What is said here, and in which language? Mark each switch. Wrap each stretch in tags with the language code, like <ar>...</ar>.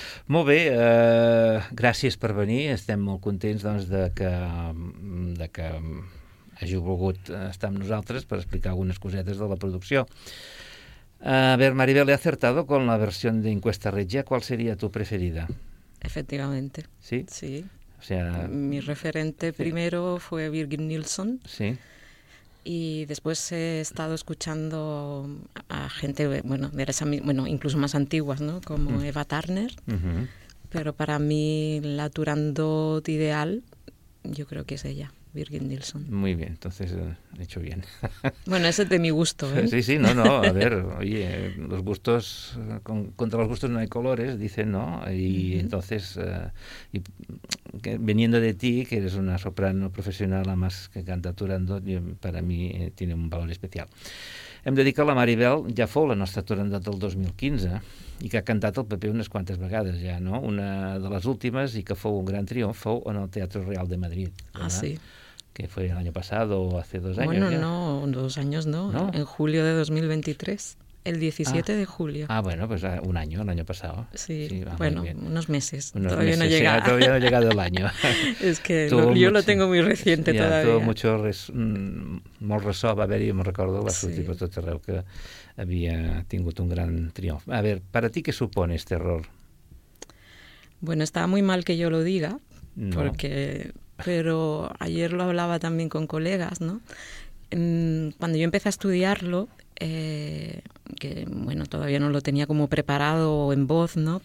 <ca>Molt bé, gràcies per venir. Estem molt contents, doncs, de que hàgiu volgut estar amb nosaltres per explicar algunes cosetes de la producció.</ca> <es>A ver, Maribel, ¿he acertado con la versión de Encuesta Regia? ¿Cuál sería tu preferida? Efectivamente. ¿Sí? Sí. O sea, mi referente primero fue Birgit Nilsson. Sí. Y después he estado escuchando a gente, bueno, de esa, bueno, incluso más antiguas, ¿no? Como Eva Turner. Pero para mí la Turandot ideal, yo creo que es ella, Birgit Nilsson. Muy bien, entonces he hecho bien. Bueno, ese es de mi gusto, ¿eh? Sí, sí, no, a ver, oye, los gustos, contra los gustos no hay colores, dicen, ¿no? Y entonces, y que, viniendo de ti, que eres una soprano profesional, además que canta Turandot, para mí tiene un valor especial.</es> <ca>Hem de dir que la Maribel ja fou la nostra Turandot del 2015 i que ha cantat el paper unes quantes vegades ja, no? Una de les últimes, i que fou un gran triomf, fou en el Teatro Real de Madrid. Ah, sí.</ca> <es>Que fue el año pasado, o hace dos años. Bueno, ya. No, dos años no. En julio de 2023, el 17 de julio. Ah, bueno, pues un año, el año pasado. Sí, bueno, unos meses. Todavía no ha llegado el año. Es que yo lo tengo muy reciente todavía. Tuvo mucho</es> <ca>molt ressò, va haver-hi, me'n recordo, va sortir per tot arreu que havia tingut un gran triomf.</ca> <es>A ver, ¿para ti qué supone este error? Bueno, estaba muy mal que yo lo diga, porque, pero ayer lo hablaba también con colegas, ¿no? Cuando yo empecé a estudiarlo, que bueno, todavía no lo tenía como preparado en voz, ¿no?</es>